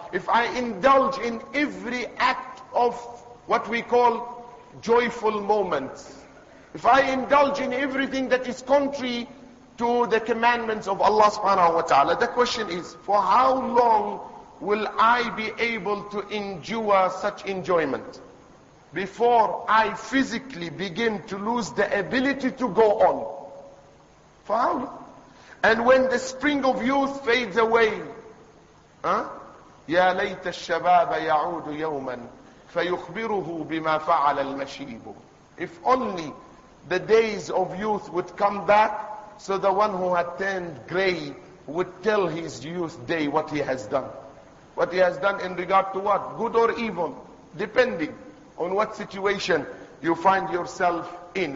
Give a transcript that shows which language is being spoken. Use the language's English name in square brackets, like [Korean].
[English] If I indulge in every act of what we call joyful moments, if I indulge in everything that is contrary to the commandments of Allah subhanahu wa ta'ala, the question is, for how long will I be able to endure such enjoyment before I physically begin to lose the ability to go on? For how long? And when the spring of youth fades away, [Arabic] يَا لَيْتَ الشَّبَابَ يَعُودُ يَوْمًا فَيُخْبِرُهُ بِمَا فَعَلَ الْمَشِيبُ. [English] If only the days of youth would come back, so the one who had turned gray would tell his youth day what he has done. What he has done in regard to what? Good or evil, depending on what situation you find yourself in.